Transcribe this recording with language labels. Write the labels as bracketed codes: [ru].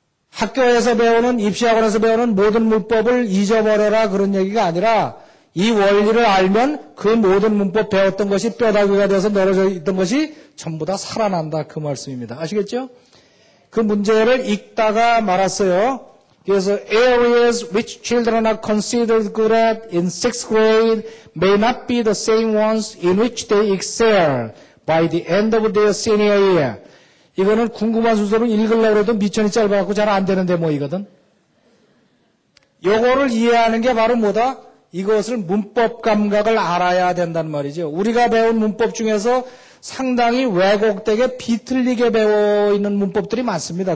[ko] 학교에서 배우는, 입시학원에서 배우는 모든 문법을 잊어버려라 그런 얘기가 아니라 이 원리를 알면 그 모든 문법 배웠던 것이 뼈다귀가 돼서 늘어져 있던 것이 전부 다 살아난다 그 말씀입니다. 아시겠죠? 그 문제를 읽다가 말았어요. [en] 그래서 areas which children are considered good at in sixth grade may not be the same ones in which they excel by the end of their senior year. [ko] 이거는 궁금한 순서로 읽으려고 해도 미천이 짧아갖고 잘 안 되는데 뭐이거든? 요거를 이해하는 게 바로 뭐다? 이것을 문법 감각을 알아야 된단 말이죠. 우리가 배운 문법 중에서 상당히 왜곡되게 비틀리게 배워 있는 문법들이 많습니다.